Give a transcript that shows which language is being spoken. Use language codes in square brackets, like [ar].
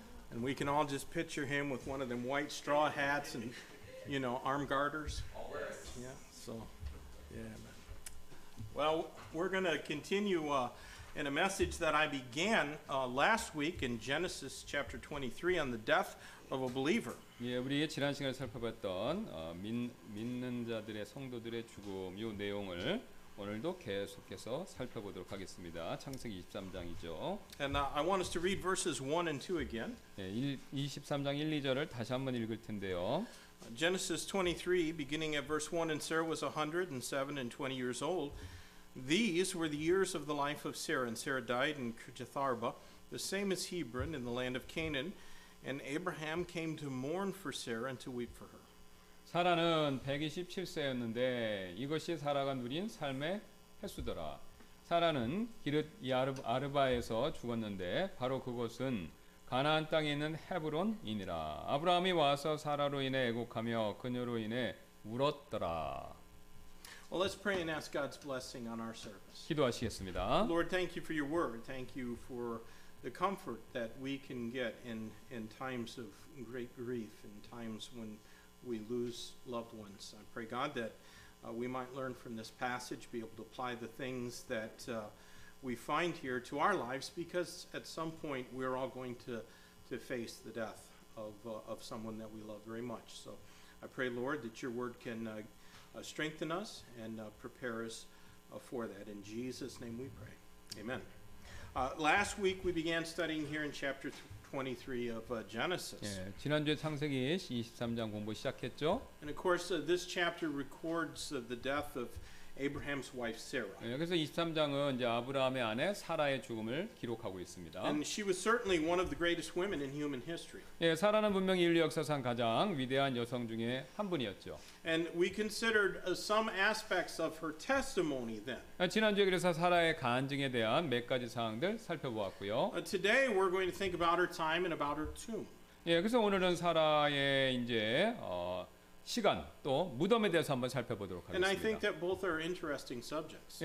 [en] And we can all just picture him with one of them white straw hats and, you know, arm garters. Always. Yeah, so, yeah. Well, we're going to continue in a message that I began last week in Genesis chapter 23 on the death of a believer. [ko] 예, 우리 지난 시간에 살펴봤던 믿는 자들의 성도들의 죽음 이 내용을 오늘도 계속해서 살펴보도록 하겠습니다. 창세기 23장이죠. [en] And I want us to read verses 1 and 2 again. [ko] 예, 23장 1, 2절을 다시 한번 읽을 텐데요. [en] Genesis 23 beginning at verse 1 and Sarah was 107 and 20 years old. These were the years of the life of Sarah, and Sarah died in Kirjatharba, the same as Hebron in the land of Canaan, and Abraham came to mourn for Sarah and to weep for her. [ko] 사라는 127세였는데 이것이 사라가 누린 삶의 횟수더라. 사라는 기릇 아르바에서 죽었는데 바로 그곳은 가나안 땅에 있는 헤브론이니라. 아브라함이 와서 사라로 인해 애곡하며 그녀로 인해 울었더라. [en] Well, let's pray and ask God's blessing on our service. [ko] 기도하시겠습니다. [en] Lord, thank you for your word. Thank you for the comfort that we can get in times of great grief, in times when we lose loved ones. I pray, God, that we might learn from this passage, be able to apply the things that we find here to our lives, because at some point we're all going to face the death of someone that we love very much. So I pray, Lord, that your word can strengthen us and prepare us for that. In Jesus' name we pray. Amen. Last week we began studying here in chapter 23 of Genesis. [ko] 예, 지난주에 창세기 23장 공부 시작했죠. [en] And of course, this chapter records the death of Abraham's wife Sarah. [ko] 예, 그래서 23장은 이제 아브라함의 아내 사라의 죽음을 기록하고 있습니다. [en] And she was certainly one of the greatest women in human history. [ko] 예, 사라는 분명히 인류 역사상 가장 위대한 여성 중에 한 분이었죠. [en] And we considered some aspects of her testimony then. [ko] 지난주에 그래서 사라의 간증에 대한 몇 가지 사항들 살펴보았고요. [en] Today we're going to think about her time and about her tomb. [ko] 예, 그래서 오늘은 사라의 이제 시간 또 무덤에 대해서 한번 살펴보도록 하겠습니다. [en] And I think that both are interesting subjects.